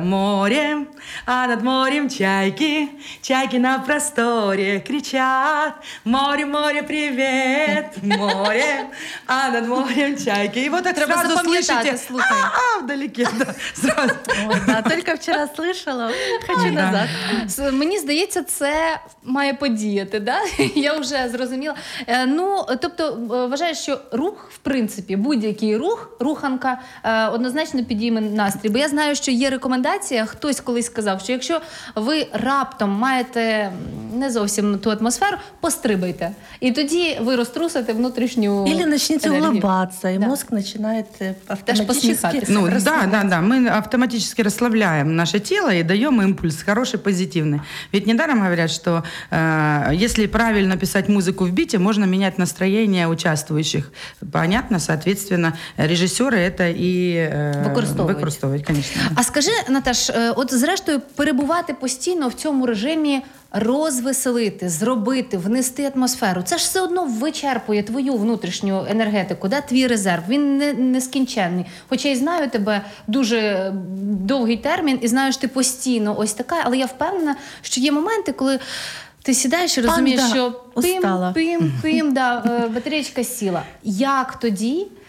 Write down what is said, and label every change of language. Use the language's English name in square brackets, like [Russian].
[Russian] Море, а над морем чайки, чайки на просторе кричат: «Море, море, привет! Море, а над морем чайки». И вот это [Ukrainian] треба [Russian] сразу слышите. А-а-а, вдалеке. Да, сразу. О, да, только вчера слышала. Хочу назад. Да. Мне кажется, это [Ukrainian] має подіяти, [Russian] да? [Ukrainian] Я вже зрозуміла. Ну, тобто, вважаю, що рух, в принципі, будь-який рух, руханка, однозначно підійме настрій. Бо я знаю, що є рекомендація, хтось колись сказав, що якщо ви раптом маєте не зовсім ту атмосферу, пострибайте. І тоді ви розтрусите внутрішню енергію. Ілі почнете улыбаться, і мозк починає автоматично. [Russian] Ну, да. [Ukrainian] Ми автоматично розслабляємо наше тіло і даємо імпульс хороший, позитивний. [Russian] Ведь недаром говорять, що если правильно писать музыку в бите, можно менять настроение участвующих. Понятно, соответственно, режиссеры это и [Ukrainian] використовують, [Russian] конечно. [Ukrainian] А скажи, Наташ, от зрештою перебувати постійно в цьому режимі, розвеселити, зробити, внести атмосферу, це ж все одно вичерпує твою внутрішню енергетику, да? Твій резерв, він нескінченний. Хоча я знаю тебе дуже довгий термін, і знаю, що ти постійно ось така, але я впевнена, що є моменти, коли ти сідаєш і розумієш, що пим, пим, пим, да, батарейка сіла. Як тоді